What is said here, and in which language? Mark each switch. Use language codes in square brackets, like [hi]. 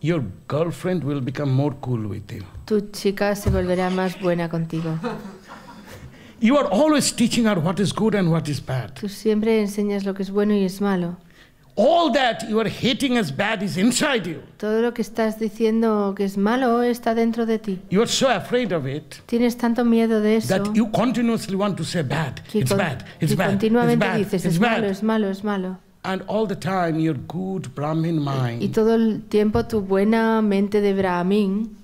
[en] your girlfriend will become more cool with you. [es] Tu chica se volverá más buena contigo. [en] You are always teaching her what is good and what is bad. [es] Tú siempre enseñas lo que es bueno y es malo. [en] All that you are hating as bad is inside you. [es] Todo lo que estás diciendo que es malo está dentro de ti. [en] You are so afraid of it. [es] Tienes tanto miedo de eso. [en] That you continuously want to say bad. It's bad. It's bad. [es] Continuamente dices es malo, es malo, es malo. [en] And all the time your good Brahmin mind. [es] Y todo el tiempo tu buena mente de Brahmin.